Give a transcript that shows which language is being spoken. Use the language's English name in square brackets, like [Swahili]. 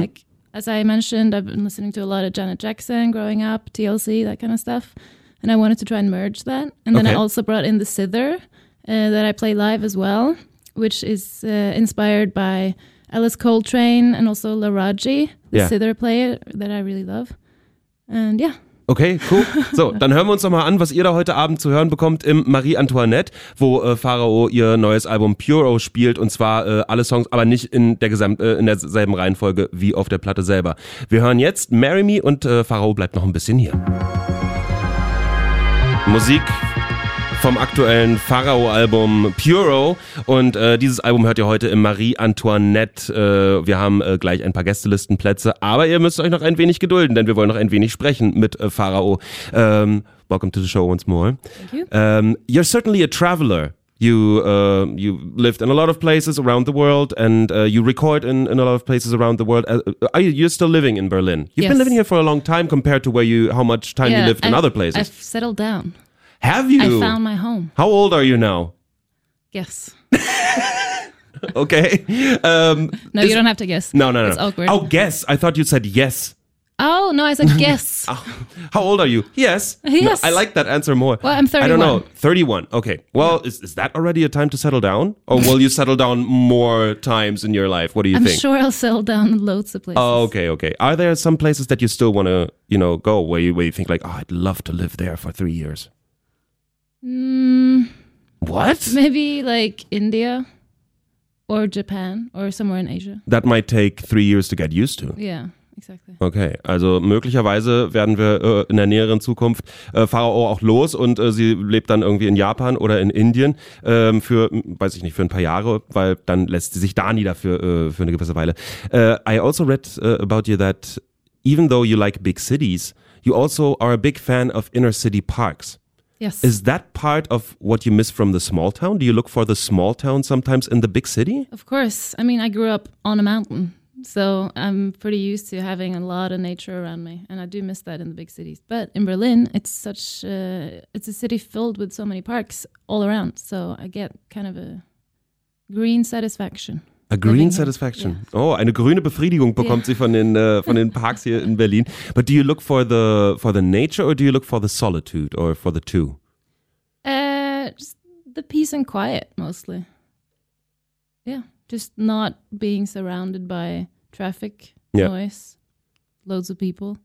[English] Like, as I mentioned, I've been listening to a lot of Janet Jackson growing up, TLC, that kind of stuff. And I wanted to try and merge that. And then I also brought in the zither that I play live as well, which is inspired by Alice Coltrane and also Laraji, the zither player that I really love. And yeah. Okay, cool. [German] So, dann hören wir uns nochmal an, was ihr da heute Abend zu hören bekommt im Marie Antoinette, wo Pharao ihr neues Album Puro spielt, und zwar alle Songs, aber nicht in der in derselben Reihenfolge wie auf der Platte selber. Wir hören jetzt Marry Me und Pharao bleibt noch ein bisschen hier. Musik vom aktuellen Pharao-Album Puro, und dieses Album hört ihr heute im Marie Antoinette. Wir haben gleich ein paar Gästelistenplätze, aber ihr müsst euch noch ein wenig gedulden, denn wir wollen noch ein wenig sprechen mit Pharao. [English] Welcome to the show once more. Thank you. You're certainly a traveler. You lived in a lot of places around the world, and you record in a lot of places around the world. You're still living in Berlin. You've been living here for a long time compared to how much time you lived in other places. I've settled down. Have you? I found my home. How old are you now? Guess. Okay. No, you don't have to guess. No. It's awkward. Oh, guess. I thought you said yes. Oh, no, I said guess. How old are you? Yes. Yes. No, I like that answer more. Well, I'm 31. I don't know. 31. Okay. Well, is that already a time to settle down? Or will you settle down more times in your life? What do you I'm think? I'm sure I'll settle down in loads of places. Oh, okay. Are there some places that you still want to, you know, go where you think like, I'd love to live there for 3 years? What? Maybe like India or Japan or somewhere in Asia. That might take 3 years to get used to. Yeah, exactly. [German] Okay, also möglicherweise werden wir in der näheren Zukunft Pharao auch los, und sie lebt dann irgendwie in Japan oder in Indien für ein paar Jahre, weil dann lässt sie sich da nieder für eine gewisse Weile. [English] I also read about you that even though you like big cities, you also are a big fan of inner city parks. Yes. Is that part of what you miss from the small town? Do you look for the small town sometimes in the big city? Of course. I mean, I grew up on a mountain, so I'm pretty used to having a lot of nature around me, and I do miss that in the big cities. But in Berlin, it's a city filled with so many parks all around, so I get kind of a green satisfaction. A green satisfaction. Yeah. [German] Oh, eine grüne Befriedigung bekommt sie von den Parks hier in Berlin. [English] But do you look for the nature, or do you look for the solitude, or for the two? Just the peace and quiet, mostly. Yeah, just not being surrounded by traffic, noise, loads of people.